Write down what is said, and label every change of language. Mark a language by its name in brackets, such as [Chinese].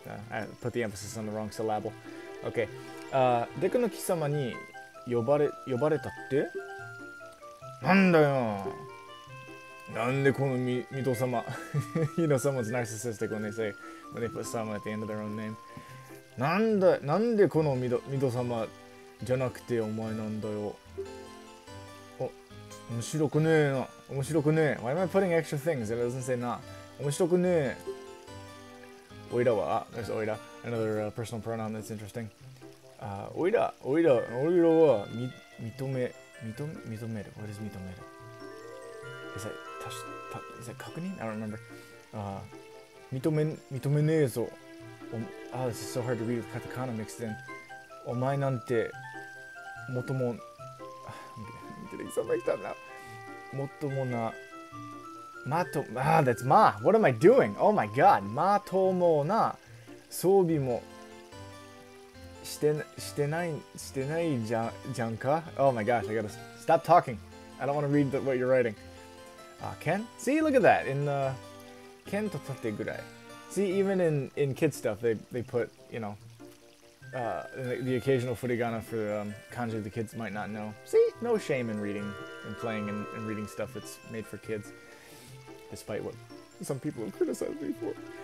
[English] I put the emphasis on the wrong syllable. Okay. [Japanese] デクの貴様に呼ばれたって? なんだよ。なんでこのミト様。 [English] You know, someone's narcissistic when they say, when they put someone at the end of their own name. [Japanese] なんでこのミト様じゃなくてお前なんだよ。面白くねえな。面白くねえ。 [English] Why am I putting extra things? It doesn't say な。 [Japanese] 面白くねえ。おいらは、 [English] there's おいら。Another personal pronoun that's interesting. [Japanese] おいらは、認める。 [English] What is 認める? Is that 確認? I don't remember. [Japanese] 認めねえぞ。 [English] This is so hard to read with katakana mixed in. [Japanese] お前なんて、もとも、 [English] Getting so mixed up now. [Japanese] もともな、 [English] まと、ah, that's ma. What am I doing? Oh my god. [Japanese] まともな装備もしてないじゃんか? [English] Oh my gosh, I gotta stop talking. I don't want to read what you're writing. Ken? See, look at that. In the Ken to tate gurai. See, even in kid stuff, they put, you know, the occasional furigana for kanji the kids might not know. See? No shame in reading and playing and reading stuff that's made for kids, despite what some people have criticized me for.